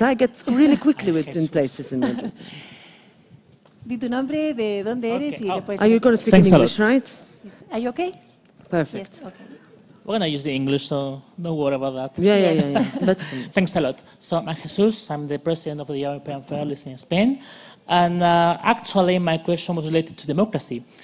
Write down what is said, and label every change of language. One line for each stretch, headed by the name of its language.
English: I get really quickly in places in Madrid.
Spanish: Di tu nombre, de dónde eres okay. y después...
English: Are you going to speak Thanks in English, right? Are you okay? Perfect. Yes, okay. We're going to use the English, so don't worry about that. Yeah. Thanks a lot. So I'm Jesus, I'm the president of the European Federalists in Spain. And actually, my question was related to democracy.